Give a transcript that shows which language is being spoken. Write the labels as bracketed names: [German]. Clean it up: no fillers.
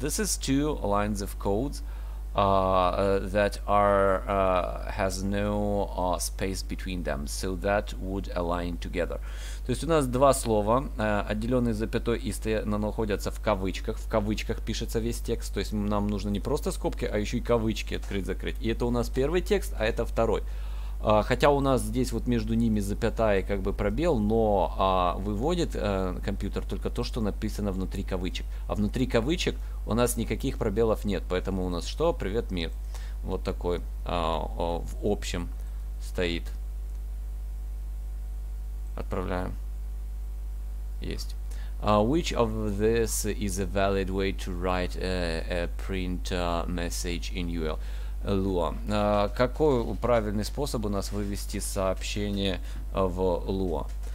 [English] This is two lines of code that are has no space between them. So that would align together. [Russian] То есть у нас два слова, отделенные запятой, и находятся в кавычках. В кавычках пишется весь текст. То есть нам нужно не просто скобки, а еще и кавычки открыть-закрыть. И это у нас первый текст, а это второй. Хотя у нас здесь вот между ними запятая и как бы пробел, но выводит компьютер только то, что написано внутри кавычек. А внутри кавычек у нас никаких пробелов нет. Поэтому у нас что? Привет, мир. Вот такой в общем стоит. Отправляем. Есть. [English] Which of this is a valid way to write a print message in UL? Lua. [Russian] Какой правильный способ у нас вывести сообщение в Lua?